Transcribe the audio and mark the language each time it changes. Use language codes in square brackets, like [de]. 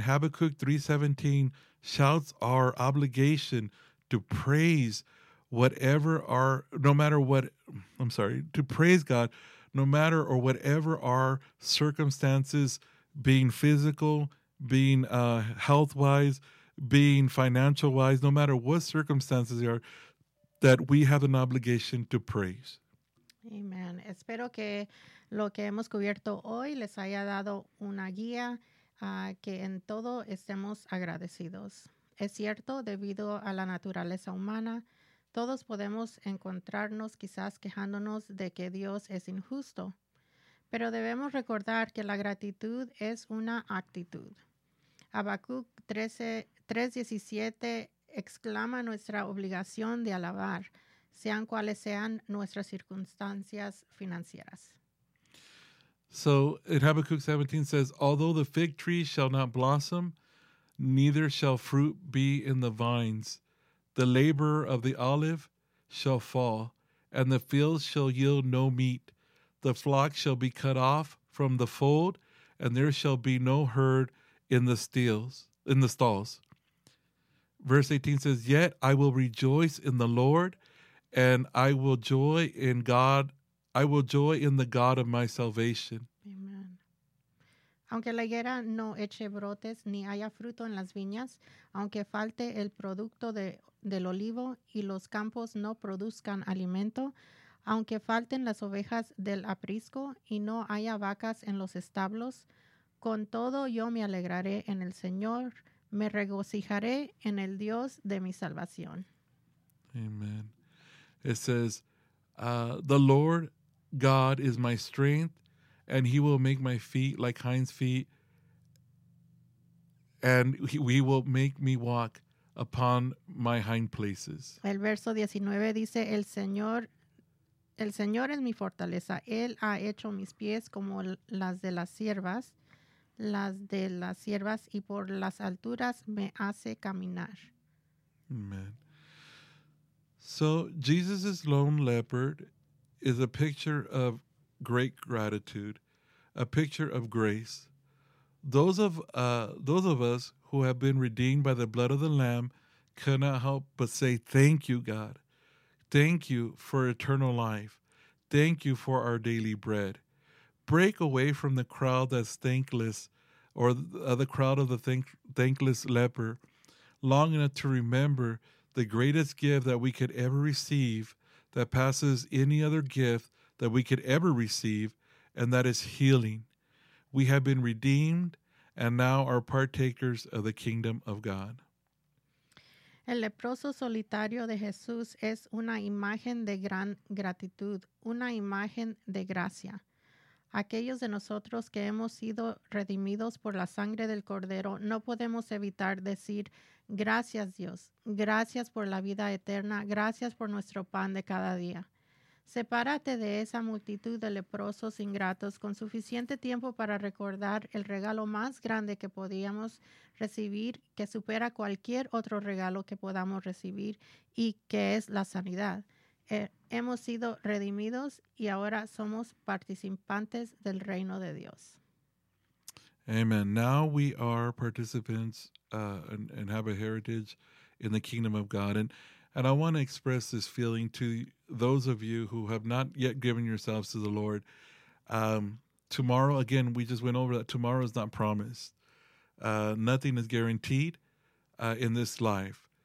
[en] Habakkuk 3:17 shouts our obligation to praise whatever our circumstances, being physical, being health-wise, being financial wise, no matter what circumstances they are, that we have an obligation to praise. Amen. [es] Espero que lo que hemos cubierto hoy les haya dado una guía que en todo estemos agradecidos. Es cierto, debido a la naturaleza humana, todos podemos encontrarnos quizás quejándonos de que Dios es injusto, pero debemos recordar que la gratitud es una actitud. Habacuc 3:17 exclama nuestra obligación de alabar, sean cuales sean nuestras circunstancias financieras. [en] So in Habakkuk 17 says, although the fig tree shall not blossom, neither shall fruit be in the vines, the laborer of the olive shall fall, and the fields shall yield no meat, the flock shall be cut off from the fold, and there shall be no herd in the stalls. Verse 18 says, yet I will rejoice in the Lord, and I will joy in God. I will joy in the God of my salvation. Amen. [es] Aunque la higuera no eche brotes, ni haya fruto en las viñas, aunque falte el producto del olivo y los campos no produzcan alimento, aunque falten las ovejas del aprisco y no haya vacas en los establos, con todo yo me alegraré en el Señor. Me regocijaré en el Dios de mi salvación. [en] Amen. It says, the Lord God is my strength, and He will make my feet like hinds' feet, and He will make me walk upon my hind places. [es] El verso 19 dice, El Señor es mi fortaleza. Él ha hecho mis pies como las de las ciervas. Y por las alturas me hace caminar. [en] Amen. So Jesus's lone leopard is a picture of great gratitude, a picture of grace. Those of us who have been redeemed by the blood of the Lamb cannot help but say, thank you, God. Thank you for eternal life. Thank you for our daily bread. Break away from the crowd that's thankless, or the crowd of the thankless leper, long enough to remember the greatest gift that we could ever receive, that passes any other gift that we could ever receive, and that is healing. We have been redeemed and now are partakers of the kingdom of God. [es] El leproso solitario de Jesús es una imagen de gran gratitud, una imagen de gracia. Aquellos de nosotros que hemos sido redimidos por la sangre del Cordero, no podemos evitar decir, gracias Dios, gracias por la vida eterna, gracias por nuestro pan de cada día. Sepárate de esa multitud de leprosos ingratos con suficiente tiempo para recordar el regalo más grande que podíamos recibir, que supera cualquier otro regalo que podamos recibir, y que es la sanidad. Hemos sido redimidos y ahora somos participantes del reino de Dios. [en] Amen. Now we are participants and have a heritage in the kingdom of God. And I want to express this feeling to those of you who have not yet given yourselves to the Lord. Tomorrow, again, we just went over that. Tomorrow is not promised. Nothing is guaranteed in this life.